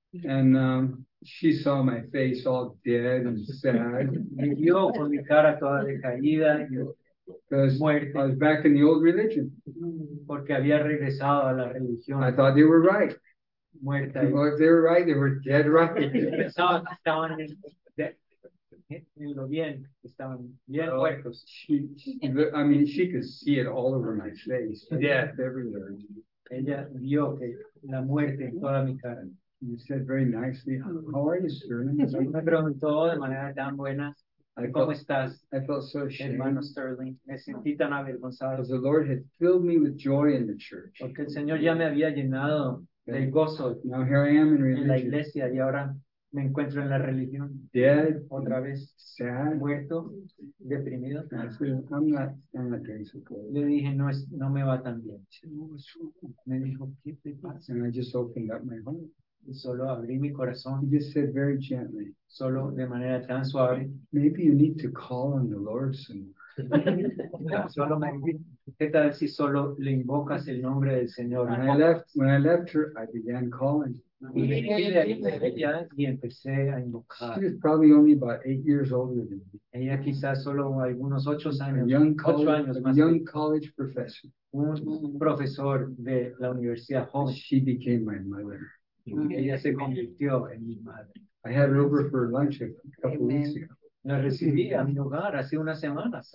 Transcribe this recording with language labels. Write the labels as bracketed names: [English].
[English] And she saw my face all dead and sad. [Spanish] Y vio con mi cara toda decaída. [English] Because I was back in the old religion. [Spanish] Porque había regresado a la religión. [English] I thought they were right. [Spanish] Muerta. [English] Well, if they were right, they were dead right. [Spanish] Estaban en lo bien. Estaban bien muertos. [English] I mean, she could see it all over my face. Like, yeah. Everywhere. [Spanish] Ella vio que la muerte en toda mi cara. [English] You said very nicely, how are you, Sterling? [Spanish] Me preguntó de manera tan buena. ¿Cómo estás, [English] I felt so ashamed. [Spanish] Hermano Sterling, me sentí tan avergonzado. [English] Because the Lord had filled me with joy in the church. [Spanish] Porque el Señor ya me había llenado del gozo. [English] Now here I am in religion. [Spanish] En la iglesia y ahora me encuentro en la religión. [English] Dead. [Spanish] Otra vez. [English] Sad. [Spanish] Muerto. Deprimido. [English] I'm not [Spanish] le dije, no, es, no me va tan bien. Me dijo, ¿qué te pasa? [English] And I just opened up my heart. [Spanish] Y solo abrí mi corazón. [English] He just said very gently. [Spanish] Solo de manera tan suave. [English] Maybe you need to call on the Lord some more. [Spanish] Solo me tal si solo le invocas el nombre del Señor. [English] When I left her, I began calling. [Spanish] Y empecé a invocar. [English] She was probably only about 8 years older than me. [Spanish] Ella quizás solo algunos 8 años. [English] A young college professor. [Spanish] Un profesor de la universidad. [English] And she became my mother. [Spanish] Ella se convirtió en mi madre. [English] I had her over for lunch a couple weeks ago. [Spanish] La recibí a mi hogar hace unas semanas.